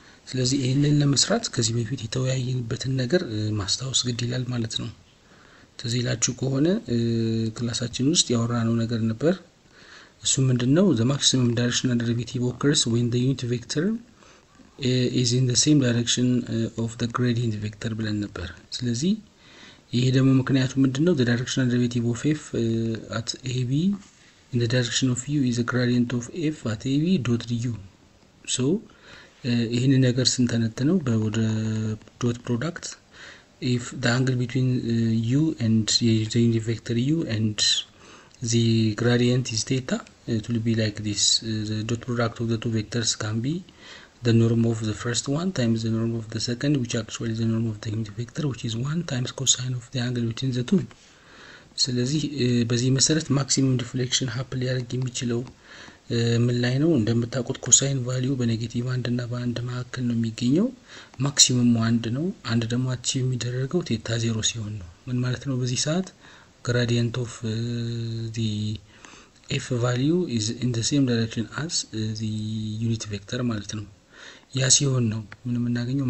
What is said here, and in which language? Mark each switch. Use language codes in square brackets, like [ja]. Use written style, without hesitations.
[am] ስለዚህ ይሄንን ለመስራት ከዚህ በፊት የተወያየንበትን ነገር ማስታወስ ግድ ይላል ማለት ነው። ትዝ ይላችሁ ከሆነ ክላሳችን ውስጥ ያወራነው ነገር ነበር። እሱ ምንድነው? [en] The maximum directional derivative occurs when the unit vector is in the same direction of the gradient vector [am] ብለን ነበር። ስለዚህ ይሄ ደግሞ ምክንያቱ ምንድነው? [en] The directional derivative of f at ab in the direction of u is a gradient of f at ab dot du. So [am] ይሄን ነገር ስንተነተነው በወደ [en] dot product if the angle between u and the unit vector u and the gradient is theta it will be like this the dot product of the two vectors can be the norm of the first one times the norm of the second which actually is the norm of the unit vector which is 1 times cosine of the angle between the two. [am] ስለዚህ በዚህ መሰረት [en] maximum deflection happen [am] ያርግ የሚችለው ምን ላይ ነው? እንደምታውቁት ኮሳይን ቫልዩ በኔጌቲቭ 1 እና በ1 ማከል ነው የሚገኘው። ማክሲሙም 1 ነው። 1 ደግሞ አቺ የሚደረገው ቴታ 0 ሲሆን ነው። ምን ማለት ነው? በዚህ ሰዓት [en] ግራዲየንት ኦፍ ዲ ኤፍ ቫልዩ ኢዝ ኢን ዘ ሴም ዳይሬክሽን አስ ዲ ዩኒት ቬክተር [am] ማለት ነው። ያ ሲሆን ነው ምን እናገኘው?